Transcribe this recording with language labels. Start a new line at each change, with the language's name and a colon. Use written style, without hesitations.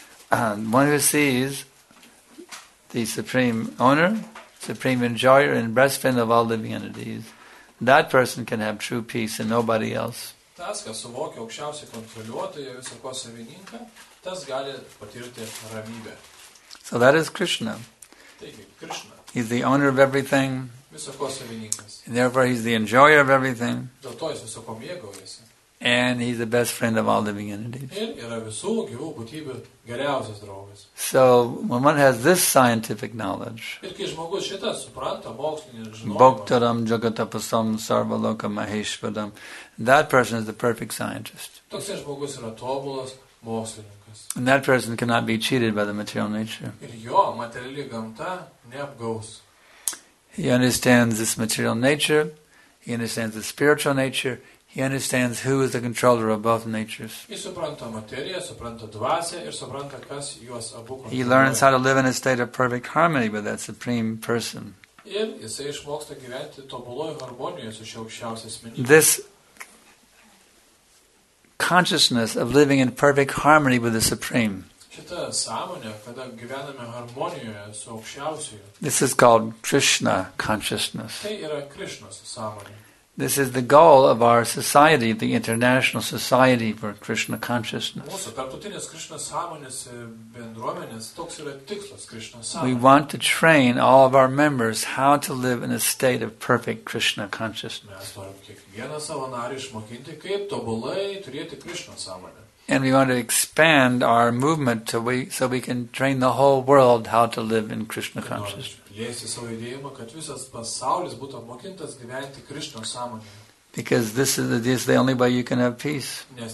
English: And one who sees the supreme owner, supreme enjoyer and breastfin of all living entities, that person can have true peace and nobody else.
Lithuanian: Tas, kas suvokia aukščiausiai kontroliuotoją, viso ko savininką, tas gali patirti ramybę.
English: So that is Krishna.
Lithuanian: Taigi, Krishna.
English: He's the owner of everything.
Lithuanian: Viso ko savininkas.
English: And therefore, he's the enjoyer of everything.
Lithuanian: Dėl to jis viso ko mėgaujasi.
English: And he's the best friend of all living entities.
Lithuanian: Ir yra visų gyvų būtybių geriausias draugas.
English: So, when one has this scientific knowledge,
Lithuanian: ir kai žmogus šitą supranta mokslinį žinojimą,
Sanskrit: Bhaktaram jagatapasam sarvaloka maheshvaram,
English: that person is the perfect scientist.
Lithuanian: Toks žmogus yra tobulas mokslininkas.
English: And that person cannot be cheated by the material nature.
Lithuanian: Ir jo materiali gamta neapgaus.
English: He understands this material nature, he understands the spiritual nature, he understands who is the controller of both natures.
Lithuanian: Jis supranta materiją, supranta dvasę ir supranta, kas juos abu kontroliuoja.
English: He learns how to live in a state of perfect harmony with that supreme person.
Lithuanian: Ir jis išmoksta gyventi tobuloje harmonijoje su šiuo aukščiausiu asmeniu.
English: This consciousness of living in perfect harmony with the supreme.
Lithuanian: Šita sąmonė, kada gyvename harmonijoje su aukščiausiuoju.
English: This is called Krishna consciousness.
Lithuanian: Tai yra Krishnos sąmonė.
English: This is the goal of our society, the International Society for Krishna Consciousness.
Lithuanian: Mūsų tarptautinės Krishna sąmonės bendruomenės, toks yra tikslas Krishna sąmonė.
English: We want to train all of our members how to live in a state of perfect Krishna consciousness.
Lithuanian: Mes norim kiekvieną savo narį išmokinti, kaip tobulai turėti Krishna sąmonę.
English: And we want to expand our movement so we can train the whole world how to live in Krishna consciousness. Because this is the only way you can have peace.